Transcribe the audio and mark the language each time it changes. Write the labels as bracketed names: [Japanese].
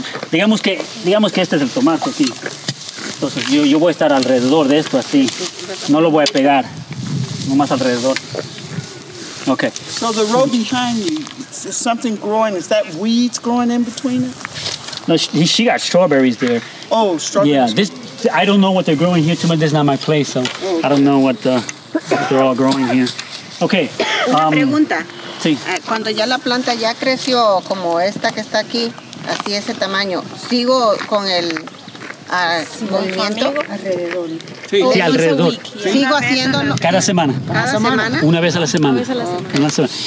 [Spanish] Digamos que este es el tomate, sí. Entonces yo voy a estar alrededor de esto así, no lo voy a pegar, no más alrededor. [English] Okay. So the row behind you, is something growing? Is that weeds growing in between it? No, she got strawberries there. Oh, strawberries. Yeah, this I don't know what they're growing here too much. This is not my place, so okay. I don't know what they're all growing here. Okay. [Spanish] Una pregunta. Sí. Cuando ya la planta ya creció como esta que está aquí, así ese tamaño, sigo con el movimiento alrededor. Sí, alrededor. Sigo haciéndolo cada semana. Cada semana. Una vez a la semana. Una vez a la semana.